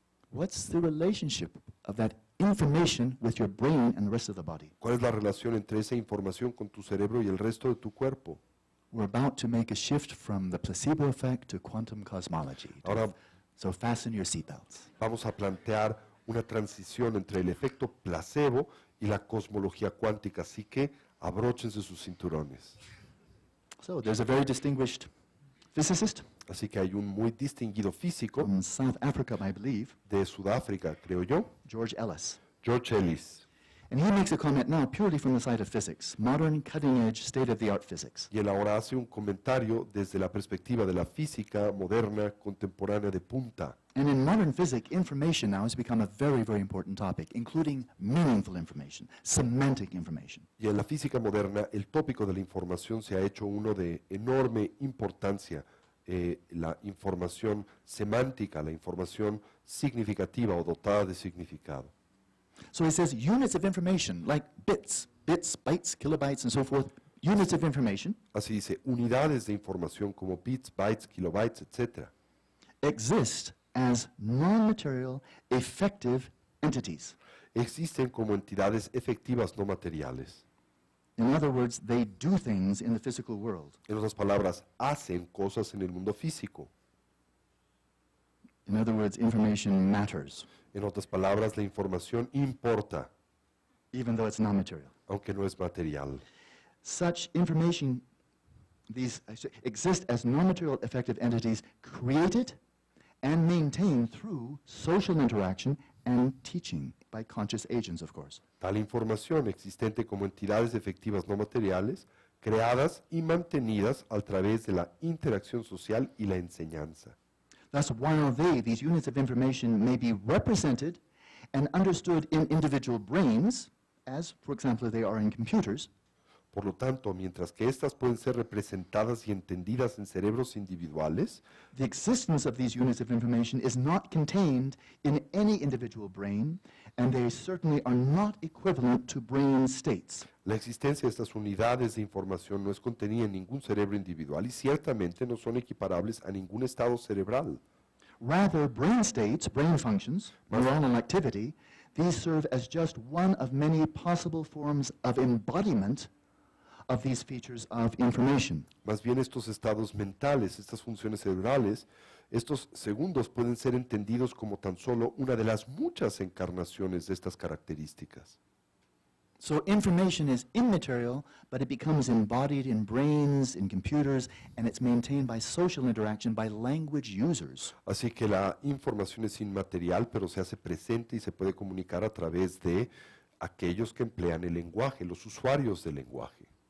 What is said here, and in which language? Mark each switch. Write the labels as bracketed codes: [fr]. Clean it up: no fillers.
[en] What's the relationship of that information with your brain and the rest of the body? [es] ¿Cuál es la relación entre esa información con tu cerebro y el resto de tu cuerpo? [en] We're about to make a shift from the placebo effect to quantum cosmology. [es] Ahora, [en] so fasten your seatbelts. [es] Vamos a plantear una transición entre el efecto placebo y la cosmología cuántica, así que abróchense sus cinturones. [en] So there's a very distinguished physicist. [es] Así que hay un muy distinguido físico [en] from South Africa, I believe, [es] de Sudáfrica, creo yo. [en] George Ellis. [es] George Ellis. [en] And he makes a comment now purely from the side of physics, modern cutting-edge state-of-the-art physics. [es] Y él ahora hace un comentario desde la perspectiva de la física moderna contemporánea de punta. [en] And in modern physics, information now has become a very, very important topic, including meaningful information, semantic information. [es] Y en la física moderna, el tópico de la información se ha hecho uno de enorme importancia. La información semántica, la información significativa o dotada de significado. [en] So he says units of information, like bits, bytes, kilobytes, and so forth, units of information. [es] Así dice, unidades de información como bits, bytes, kilobytes, etc. [en] Exist as non-material, effective entities. [es] Existen como entidades efectivas no materiales. [en] In other words, they do things in the physical world. [es] En otras palabras, hacen cosas en el mundo físico. [en] In other words, information matters. [es] En otras palabras, la información importa. [en] Even though it's non-material. [es] Aunque no es material. [en] Such information, these exist as non-material effective entities created and maintained through social interaction and teaching by conscious agents, of course. [es] Tal información existente como entidades efectivas no materiales, creadas y mantenidas a través de la interacción social y la enseñanza. [en] Thus, while they, these units of information, may be represented and understood in individual brains, as, for example, they are in computers, [es] por lo tanto, mientras que estas pueden ser representadas y entendidas en cerebros individuales, [en] the existence of these units of information is not contained in any individual brain, and they certainly are not equivalent to brain states. [es] La existencia de estas unidades de información no es contenida en ningún cerebro individual y ciertamente no son equiparables a ningún estado cerebral. [en] Rather, brain states, brain functions, neuronal activity, these serve as just one of many possible forms of embodiment of these features of information. [es] Más bien estos estados mentales, estas funciones cerebrales, estos segundos pueden ser entendidos como tan solo una de las muchas encarnaciones de estas características. [en] So information is immaterial, but it becomes embodied in brains, in computers, and it's maintained by social interaction, by language users. [es] Así que la información es inmaterial, pero se hace presente y se puede comunicar a través de aquellos que emplean el lenguaje, los usuarios del lenguaje.